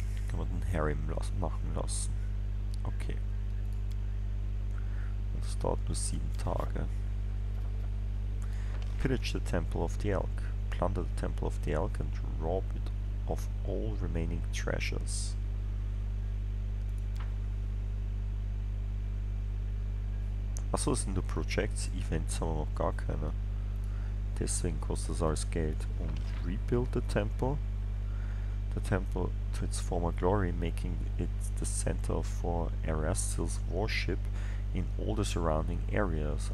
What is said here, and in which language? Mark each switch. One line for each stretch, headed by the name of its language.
German: Kann man den Harim machen lassen. Okay. Das dauert nur 7 Tage.
English: pillage the temple of the elk, plunder the temple of the elk, and rob it of all remaining treasures.
German: Achso, das sind nur Projects, Events haben wir noch gar keine. Deswegen kostet das alles Geld. Und
English: rebuild the temple. The temple to its former glory, making it the center for Erastil's worship in all the surrounding areas.